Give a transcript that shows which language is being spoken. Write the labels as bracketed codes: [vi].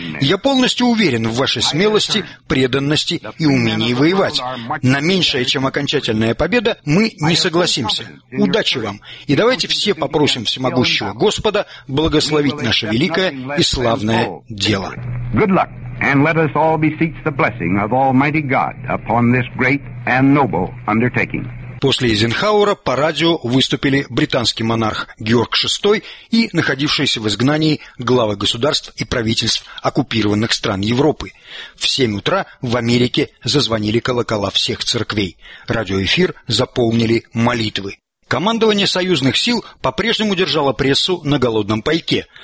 [ru] Я полностью уверен в вашей смелости, преданности и умении воевать. На меньшее, чем окончательная победа, мы не согласимся. Удачи вам! И давайте все попросим всемогущего Господа благословить наше великое и славное дело. [en] Good luck, and let us all beseech the blessing of Almighty God upon this great and noble undertaking. [ru] После Эйзенхауэра по радио выступили британский монарх Георг VI и находившиеся в изгнании главы государств и правительств оккупированных стран Европы. В 7 утра в Америке зазвонили колокола всех церквей. Радиоэфир заполнили молитвы. Командование союзных сил по-прежнему держало прессу на голодном пайке.